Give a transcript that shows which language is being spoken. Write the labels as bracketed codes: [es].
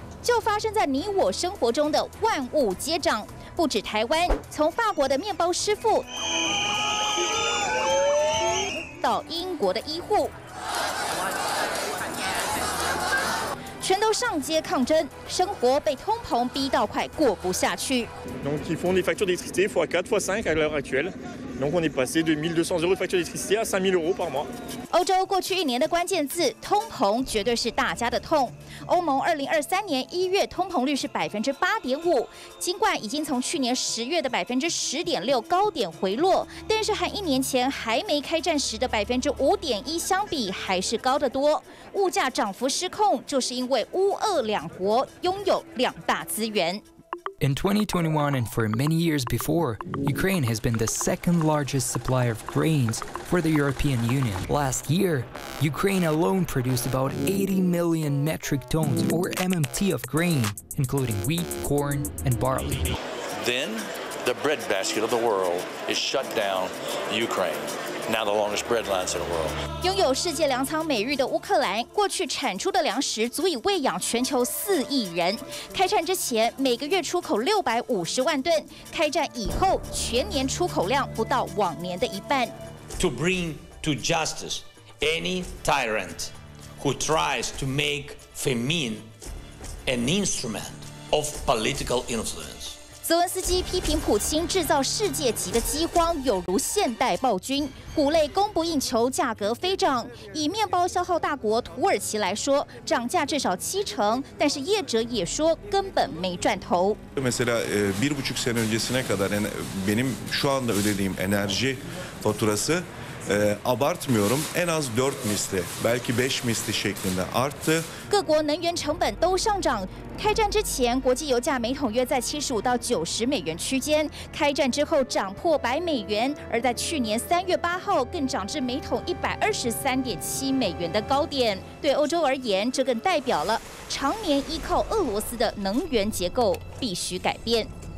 [zh] 就发生在你我生活中的万物皆涨，不止台湾，从法国的面包师傅到英国的医护，全都上街抗争，生活被通膨逼到快过不下去。 [fr] Donc ils font des factures d'électricité fois 4 fois 5 à l'heure actuelle. Donc on est passé de 1200 euros de facture d'électricité à 5000 euros par mois. [zh] 欧洲过去一年的关键字通膨绝对是大家的痛。欧盟2023年一月通膨率是8.5%，尽管已经从去年十月的10.6%高点回落，但是和一年前还没开战时的5.1%相比，还是高得多。物价涨幅失控，就是因为乌俄两国拥有两大资源。 [en] In 2021 and for many years before, Ukraine has been the second largest supplier of grains for the European Union. Last year, Ukraine alone produced about 80 million metric tons or MMT of grain, including wheat, corn, and barley. Then, the breadbasket of the world is shut down, Ukraine. Now the longest bread lines in the world. [zh] 拥有世界粮仓美誉的乌克兰，过去产出的粮食足以喂养全球4亿人。开战之前，每个月出口650万吨；开战以后，全年出口量不到往年的一半。 [en] To bring to justice any tyrant who tries to make famine an instrument of political influence. [zh] 泽文斯基批评普京制造世界级的饥荒，有如现代暴君，谷类供不应求，价格飞涨。以面包消耗大国土耳其来说，涨价至少七成，但是业者也说根本没赚头。 [tr] Mesela bir buçuk sene öncesine kadar benim şu anda ödediğim enerji faturası abartmıyorum en az 4 misli belki 5 misli şeklinde arttı. [zh] 各国能源成本都上涨。开战之前，国际油价每桶约在75到90美元区间。开战之后涨破100美元，而在去年3月8号更涨至每桶123.7美元的高点。对欧洲而言，这更代表了常年依靠俄罗斯的能源结构必须改变。